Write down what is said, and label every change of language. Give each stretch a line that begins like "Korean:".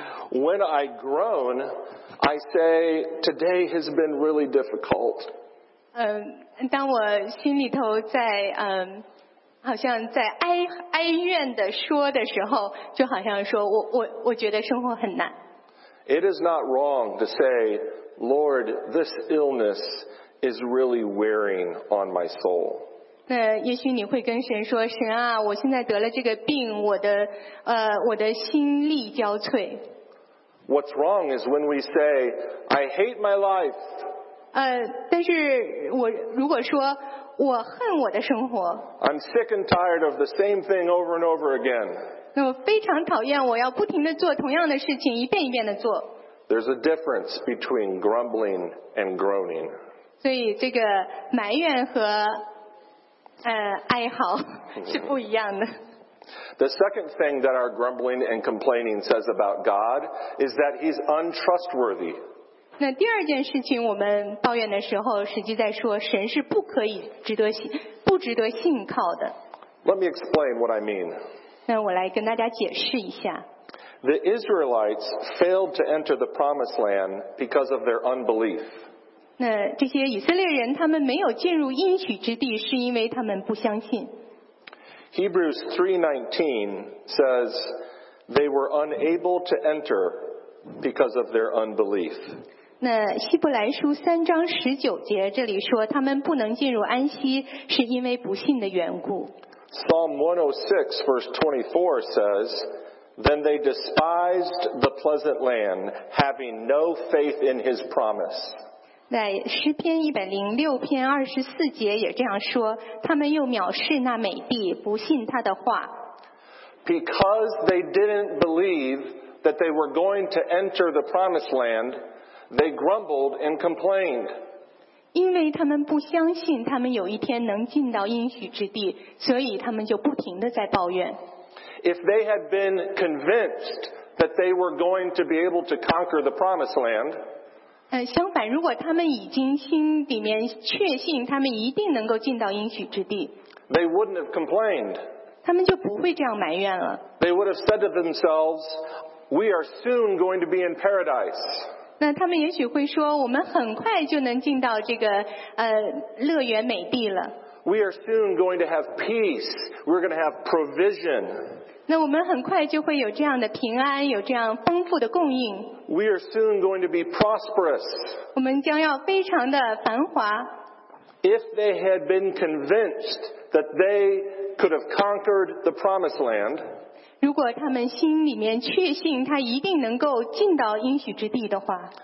English: When I groan I say today has been really difficult
Chinese: 当我心里头在好像在哀怨的说的时候，就好像说我觉得生活很难。
English: It is not wrong to say, Lord, this illness is really wearing on my soul.
Chinese: 那也许你会跟神说，神啊，我现在得了这个病，我的心力交瘁。
English: What's wrong is when we say, I hate my life.
Chinese: 但是我如果说我恨我的生活。
English: I'm sick and tired of the same thing over and over again.
Chinese: 那我非常讨厌，我要不停地做同样的事情，一遍一遍地做。
English: There's a difference between grumbling and groaning.
Chinese: 所以这个埋怨和哀嚎是不一样的。
English: The second thing that our grumbling and complaining says about God is that he's untrustworthy.
Chinese: 那第二件事情我们抱怨的时候实际在说神是不可以不值得信靠的。
English: Let me explain what I mean.
Chinese: 那我来跟大家解释一下。
English: The Israelites failed to enter the promised land because of their unbelief.
Chinese: 那这些以色列人他们没有进入应许之地是因为他们不相信。
English: Hebrews 3:19 says they were unable to enter because of their unbelief.
Chinese: 那希伯来书三章十九节这里说他们不能进入安息是因为不信的缘故。
English: Psalm 106 verse 24 says, Then they despised the pleasant land, having no faith in his promise.
Chinese: 在诗篇一百零六篇二十四节也这样说，他们又藐视那美地，不信他的话。
English: Because they didn't believe that they were going to enter the promised land, they grumbled and complained.
Chinese: 因为他们不相信他们有一天能进到应许之地，所以他们就不停地在抱怨。
English: If they had been convinced that they were going to be able to conquer the promised land,
Chinese: 相反，如果他们已经心里面确信他们一定能够进到应许之地，
English: they wouldn't have complained.
Chinese: 他们就不会这样埋怨了。
English: They would have said to themselves, "We are soon going to be in paradise."
Chinese: 那他们也许会说，我们很快就能进到这个乐园美地了。
English: We are soon going to have peace. We're going to have provision.
Chinese: 那我们很快就会有这样的平安，有这样丰富的供应。
English: We are soon going to be prosperous.
Chinese: 我们将要非常的繁华。
English: If they had been convinced that they could have conquered the promised land,
Chinese: 如果他们心里面确信他一定能够进到应许之地的话，